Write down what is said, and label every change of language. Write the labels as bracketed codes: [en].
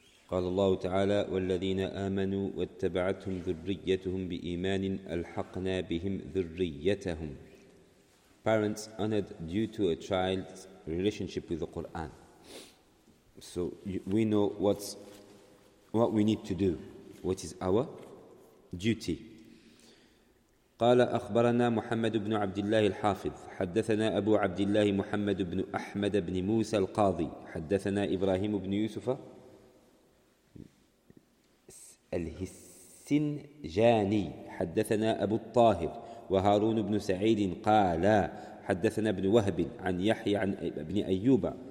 [ar] قال الله تعالى والذين آمنوا واتبعتهم ذريتهم بإيمان ألحقنا بهم ذريتهم. [en] Parents honored due to a child's relationship with the Quran. So we know what we need to do. What is our duty? [ar] قال أخبرنا محمد بن عبد الله الحافظ حدثنا أبو عبد الله محمد بن أحمد بن موسى القاضي حدثنا إبراهيم بن يوسف الهسنجاني حدثنا أبو الطاهر وهارون بن سعيد قال حدثنا ابن وهب عن يحيى عن ابن أيوب